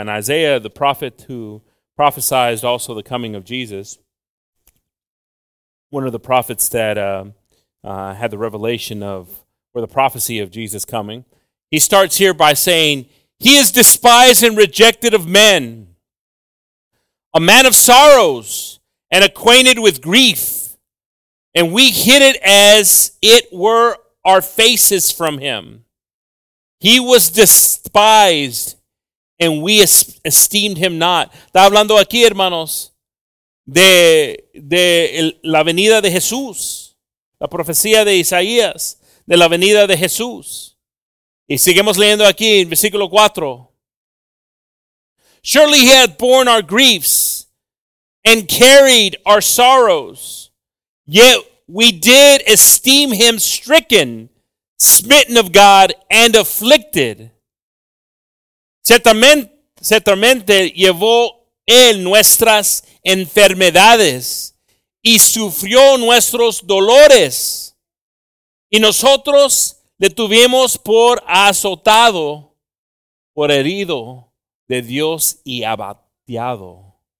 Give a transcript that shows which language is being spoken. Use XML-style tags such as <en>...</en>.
<en>And Isaiah, the prophet who prophesied also the coming of Jesus, one of the prophets that had the revelation of, or the prophecy of Jesus coming, he starts here by saying, he is despised and rejected of men, a man of sorrows and acquainted with grief, and we hid it as it were our faces from him. He was despised, and we esteemed him not.</en> <es>Está hablando aquí, hermanos, de la venida de Jesús, la profecía de Isaías, de la venida de Jesús. Y seguimos leyendo aquí, en versículo 4.</es> <en>Surely he hath borne our griefs and carried our sorrows, yet we did esteem him stricken, smitten of God, and afflicted.</en> <es>Ciertamente llevó él nuestras enfermedades y sufrió nuestros dolores. Y nosotros le tuvimos por azotado, por herido de Dios y abateado.</es>